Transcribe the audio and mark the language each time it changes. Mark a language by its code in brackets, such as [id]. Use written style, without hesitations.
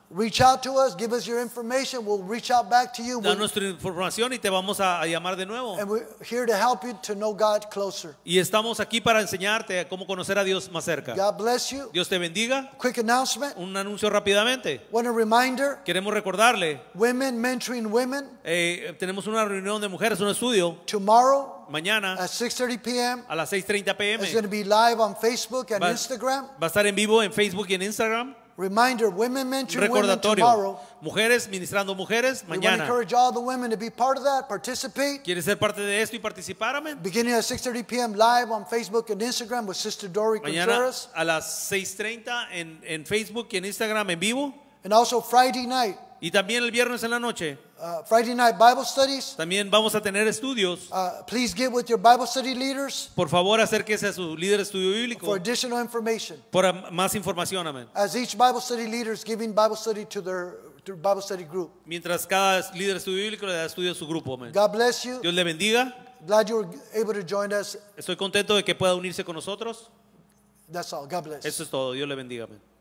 [en] Reach out to us, give us your information, we'll reach out back to you. [es] Da nuestra información y te vamos a llamar de nuevo. [en] And we're here to help you to know God closer. [es] Y estamos aquí para enseñarte cómo conocer a Dios más cerca. [en] God bless you. [es] Dios te bendiga. [en] Quick announcement. [es] Un anuncio rápidamente. [en] Want a reminder. [es] Queremos recordarle. [en] Women mentoring women. [es] Tenemos una reunión de mujeres, un estudio. [en] Tomorrow. [es] Mañana [en] at 6:30 p.m. [es] a las 6:30 p.m. [en] It's going to be live on Facebook and Instagram. [es] Va a estar en vivo en Facebook y en Instagram. [en] Reminder: women mentoring women tomorrow. [es] Mujeres ministrando mujeres mañana. [en] We want to encourage all the women to be part of that, participate. [es] ¿Quieres ser parte de esto y participar, amén? [en] Beginning at 6:30 p.m. live on Facebook and Instagram with Sister Dori Contreras. [es] A las 6:30 en Facebook y en Instagram en vivo. [en] And also Friday night. [es] Y también el viernes en la noche. [en] Friday night Bible studies. [es] También vamos a tener estudios. [en] Please get with your Bible study leaders. [es] Por favor, acérquese a su líder de estudio bíblico. [en] For additional information. [es] Por más información, amén. [en] As each Bible study leader is giving Bible study to their Bible study group. [es] Mientras cada líder de estudio bíblico le da estudio a su grupo, amén. [en] God bless you. [es] Dios le bendiga. [en] Glad you were able to join us. [es] Estoy contento de que pueda unirse con nosotros. [en] That's all. God bless. [es] Eso es todo. Dios le bendiga, amén.